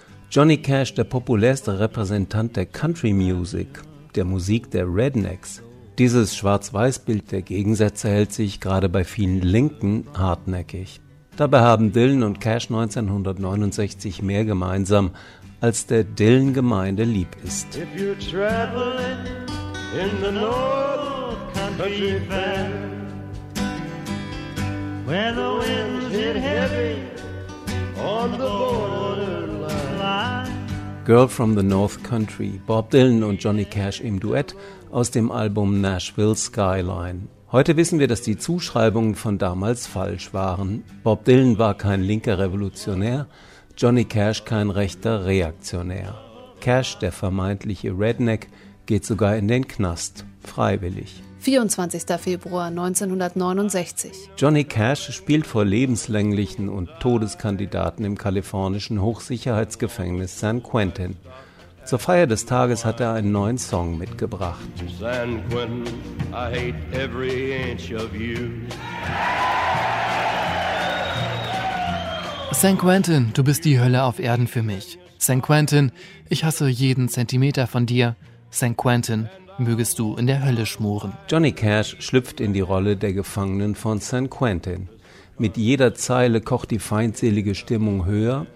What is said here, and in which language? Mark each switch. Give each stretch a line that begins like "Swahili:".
German: Johnny Cash, der populärste Repräsentant der Country-Music, der Musik der Rednecks. Dieses Schwarz-Weiß-Bild der Gegensätze hält sich gerade bei vielen Linken hartnäckig. Dabei haben Dylan und Cash 1969 mehr gemeinsam, als der Dylan-Gemeinde lieb ist.
English: If you're traveling in the North Country Fair, where the winds hit heavy on the borderline.
German: Girl from the North Country, Bob Dylan und Johnny Cash im Duett aus dem Album Nashville Skyline. Heute wissen wir, dass die Zuschreibungen von damals falsch waren. Bob Dylan war kein linker Revolutionär, Johnny Cash kein rechter Reaktionär. Cash, der vermeintliche Redneck, geht sogar in den Knast, freiwillig. 24. Februar 1969. Johnny Cash spielt vor lebenslänglichen und Todeskandidaten im kalifornischen Hochsicherheitsgefängnis San Quentin. Zur Feier des Tages hat er einen neuen Song mitgebracht.
English: San Quentin, I hate every inch of you.
German: San Quentin, du bist die Hölle auf Erden für mich. San Quentin, ich hasse jeden Zentimeter von dir. San Quentin, mögest du in der Hölle schmoren. Johnny Cash schlüpft in die Rolle der Gefangenen von San Quentin. Mit jeder Zeile kocht die feindselige Stimmung höher.